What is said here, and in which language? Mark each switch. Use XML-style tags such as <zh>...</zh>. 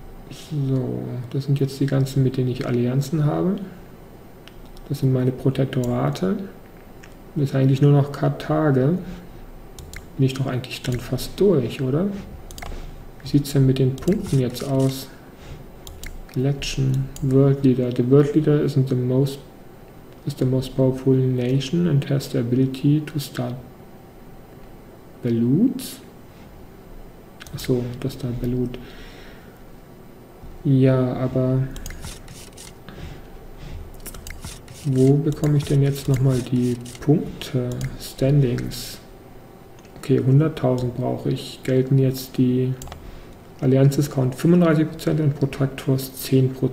<de>So, das sind jetzt die ganzen, mit denen ich Allianzen habe. Das sind meine Protektorate. Das ist eigentlich nur noch Karthage. Bin ich doch eigentlich dann fast durch, oder? Wie sieht es denn mit den Punkten jetzt aus?</de> <en>Election, World Leader. The World Leader isn't the most, is the most powerful nation and has the ability to start Balloons.</en> <de>Achso, das ist da Balloon. Ja, aber wo bekomme ich denn jetzt nochmal die Punkte? Standings. Okay, 100.000 brauche ich. Gelten jetzt die Allianz-Discount 35% und Protractors 10%.</de>